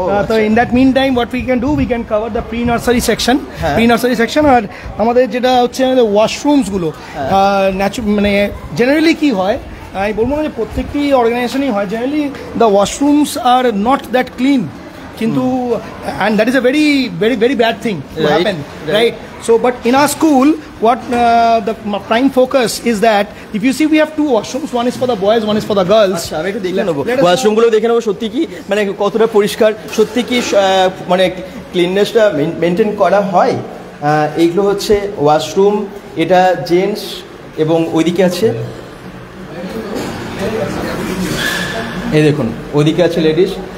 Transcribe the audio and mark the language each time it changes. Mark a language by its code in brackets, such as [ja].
[en] তো in that meantime what we can do, we can cover the pre nursery section. [bn] আর আমাদের যেটা হচ্ছে আমাদের ওয়াশরুমসগুলো মানে জেনারেলি কী হয়, আমি বলবো না যে প্রত্যেকটি অর্গানাইজেশনই হয়, [en] Generally the washrooms are not that clean, কিন্তু and that is a very very very bad thing happen right. So, but in our school, what the prime focus is that, if you see, we have 2 washrooms, one is for the boys, one is for the girls. [bn] আমি একটু দেখে নেবো washroom গুলো, দেখে নেবো সত্যি কি মানে কতটা পরিষ্কার, সত্যি কি মানে ক্লিননেসটা মেনটেন করা হয়। এইগুলো হচ্ছে ওয়াশরুম, এটা জেন্টস এবং ওইদিকে আছে, এই দেখুন ওইদিকে আছে লেডিস।